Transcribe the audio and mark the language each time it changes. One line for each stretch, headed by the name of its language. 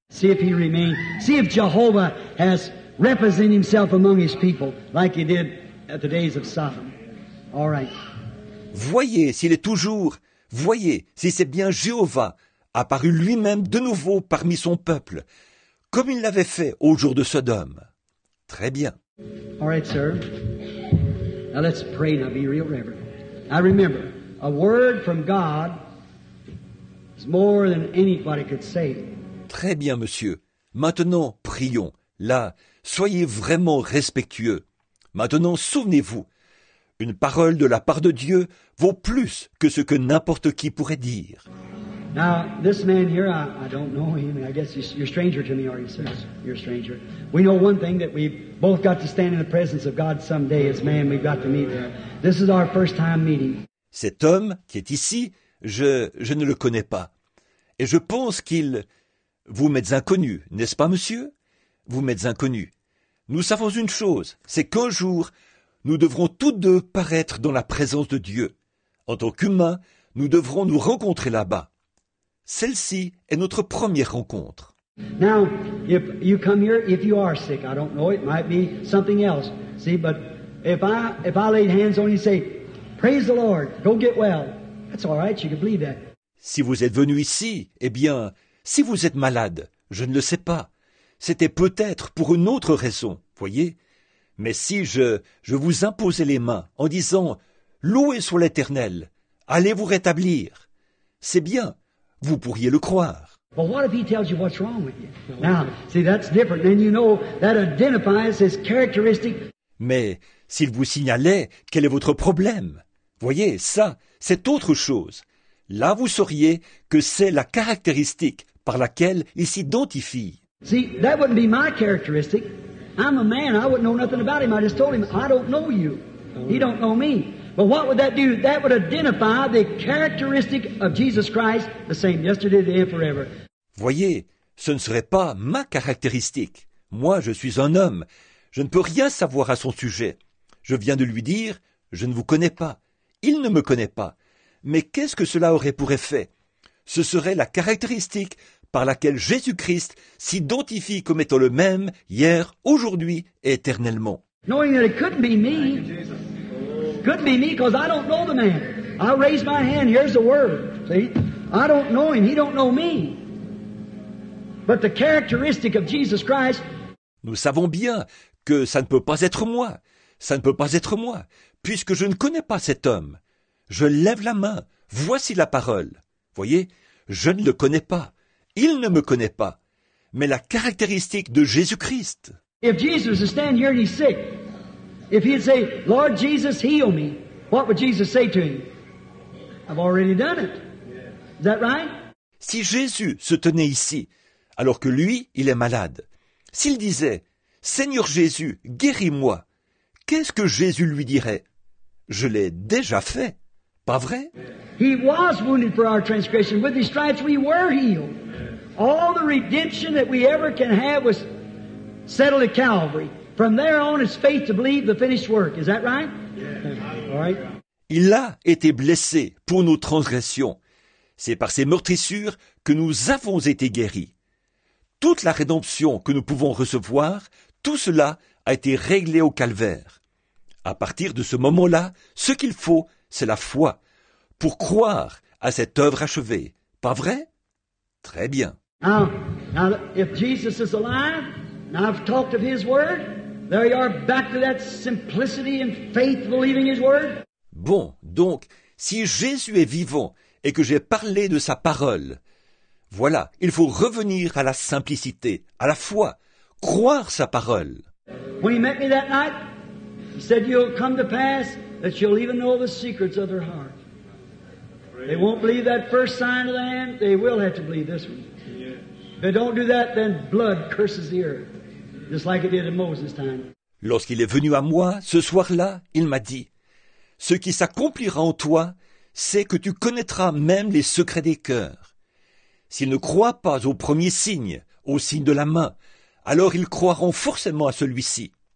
English: See if he remains. See if Jehovah has represented himself among his people like he did at the days of Sodom. All right.
French: Voyez s'il est toujours. Voyez si c'est bien Jéhovah apparu lui-même de nouveau parmi son peuple, comme il l'avait fait au jour de Sodome. Très bien.
English: All right, sir. Now let's pray and I'll be real reverent. I remember, a word from God is more than anybody could say.
French: Très bien, monsieur. Maintenant, prions. Là, soyez vraiment respectueux. Maintenant, souvenez-vous, une parole de la part de Dieu vaut plus que ce que n'importe qui pourrait dire.
English: Now, this man here, I don't know him. I guess you're a stranger to me, are you, sir? You're a stranger. We know one thing, that we've both got to stand in the presence of God someday as man. We've got to meet there. This is our first time meeting.
French: Cet homme qui est ici, je ne le connais pas. Et je pense qu'il... Vous m'êtes inconnu, n'est-ce pas, monsieur? Vous m'êtes inconnu. Nous savons une chose, c'est qu'un jour, nous devrons tous deux paraître dans la présence de Dieu. En tant qu'humains, nous devrons nous rencontrer là-bas. Celle-ci est notre première rencontre.
English: Now, if you come here, if you are sick, I don't know, it might be something else. See, but if I laid hands on you and say, praise the Lord, go get well, that's all right, you can believe that.
French: Si vous êtes venu ici, eh bien, si vous êtes malade, je ne le sais pas. C'était peut-être pour une autre raison, voyez. Mais si je vous imposais les mains en disant, louez sur l'Éternel, allez vous rétablir, c'est bien. Vous pourriez le croire.
English: But what if he tells you what's wrong with you? Now, see, that's different. And you know, that identifies his characteristic.
French: Mais s'il vous signalait quel est votre problème, voyez, ça, c'est autre chose. Là, vous sauriez que c'est la caractéristique par laquelle il s'identifie.
English: See, that wouldn't be my characteristic. I'm a man. I wouldn't know nothing about him. I just told him, I don't know you. He don't know me. But what would that do? That would identify the characteristic of Jesus Christ, the same yesterday, today, and forever.
French: Voyez, ce ne serait pas ma caractéristique. Moi, je suis un homme. Je ne peux rien savoir à son sujet. Je viens de lui dire, je ne vous connais pas. Il ne me connaît pas. Mais qu'est-ce que cela aurait pour effet? Ce serait la caractéristique par laquelle Jésus-Christ s'identifie comme étant le même hier, aujourd'hui et éternellement.
English: Knowing that it couldn't be me. Couldn't be me, because I don't know the man. I raise my hand, here's the word. See? I don't know him, he don't know me. But the characteristic of Jesus Christ.
French: Nous savons bien que ça ne peut pas être moi. Ça ne peut pas être moi, puisque je ne connais pas cet homme. Je lève la main, voici la parole. Voyez, je ne le connais pas. Il ne me connaît pas. Mais la caractéristique de Jésus-Christ.
English: If Jesus is standing here and he's sick. If he'd say, Lord Jesus, heal me, what would Jesus say to him? I've already done it. Is that right?
French: Si Jésus se tenait ici, alors que lui, il est malade, s'il disait, Seigneur Jésus, guéris-moi, qu'est-ce que Jésus lui dirait? Je l'ai déjà fait, pas vrai?
English: He was wounded for our transgression. With his stripes, we were healed. All the redemption that we ever can have was settled at Calvary. From there on, it's faith to believe the finished work. Is that right? Yeah. All right.
French: Il a été blessé pour nos transgressions. C'est par ses meurtrissures que nous avons été guéris. Toute la rédemption que nous pouvons recevoir, tout cela a été réglé au calvaire. À partir de ce moment-là, ce qu'il faut, c'est la foi, pour croire à cette œuvre achevée. Pas vrai? Très bien.
English: Now, if Jesus is alive, and I've talked of his word, there you are back to that simplicity and faith believing his word.
French: Bon, donc, si Jésus est vivant et que j'ai parlé de sa parole, voilà, il faut revenir à la simplicité, à la foi, croire sa parole.
English: When he met me that night, he said, "You'll come to pass that you'll even know the secrets of their heart. They won't believe that first sign of the hand, they will have to believe this one. If they don't do that, then blood curses the earth, just like it did in Moses' time."
French: Lorsqu'il est venu à moi, ce soir-là, il m'a dit, « Ce qui s'accomplira en toi, c'est que tu connaîtras même les secrets des cœurs. S'ils ne croient pas au premier signe, au signe de la main, alors ils croiront forcément à celui-ci.